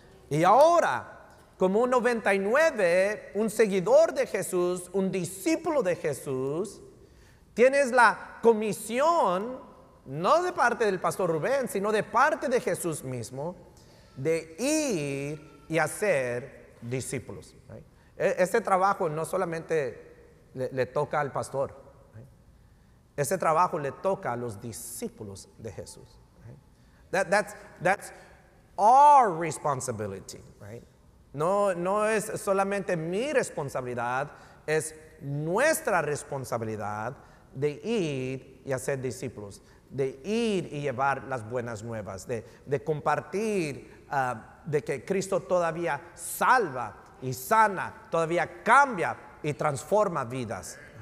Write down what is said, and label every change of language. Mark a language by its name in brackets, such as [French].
[Spanish] Y ahora, como un 99, un seguidor de Jesús, un discípulo de Jesús, tienes la comisión, no de parte del pastor Rubén, sino de parte de Jesús mismo, de ir y hacer discípulos. Ese trabajo no solamente le toca al pastor. Ese trabajo le toca a los discípulos de Jesús. [English] That's our responsibility, right? [Spanish] No es solamente mi responsabilidad, es nuestra responsabilidad de ir y hacer discípulos, de ir y llevar las buenas nuevas, de compartir de que Cristo todavía salva y sana, todavía cambia y transforma vidas.